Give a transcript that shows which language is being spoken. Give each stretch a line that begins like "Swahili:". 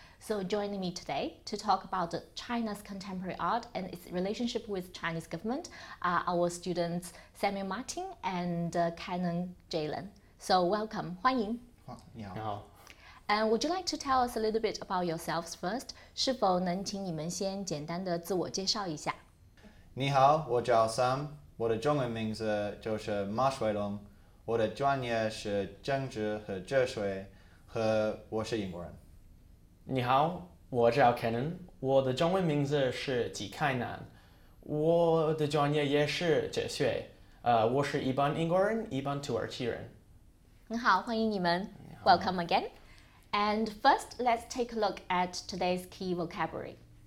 English: So joining me today to talk about China's contemporary art and its relationship with Chinese government are our students Samuel Martin and Canon Jalen. So welcome,
Chinese: 欢迎. 你好.
English: And would you like to tell us a little bit about yourselves first?
Chinese: 是否能请你们先简单的自我介绍一下? 你好, 我叫 Sam, 我的中文名字就是 Marshweilong, 我的专业是政治和哲学和我是英国人。你好, 我叫 Canon, 我的中文名字是纪凯南, 我的专业也是哲学, 我是一般英国人,一般土耳其人。很好, 欢迎你们,
English: welcome again. And first, let's take a look at today's key vocabulary.